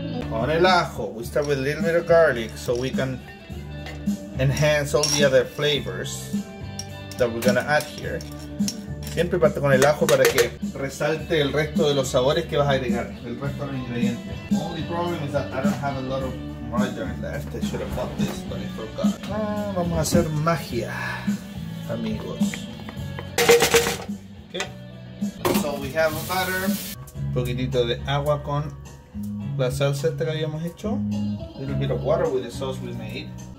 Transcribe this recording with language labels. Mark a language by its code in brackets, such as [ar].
[es] Con el ajo, [en] we start with a little bit of garlic so we can enhance all the other flavors that we're gonna add here. [es] Siempre parte con el ajo para que resalte el resto de los sabores que vas a agregar, el resto de los ingredientes. [en] Only problem is that I don't have a lot of margarine left. I should have bought this, but I forgot. [es] Ah, vamos a hacer magia, amigos. Okay. [en] So we have a butter. [es] Un poquitito de agua con la salsa esta que habíamos hecho. [en] A little bit of water with the sauce we made.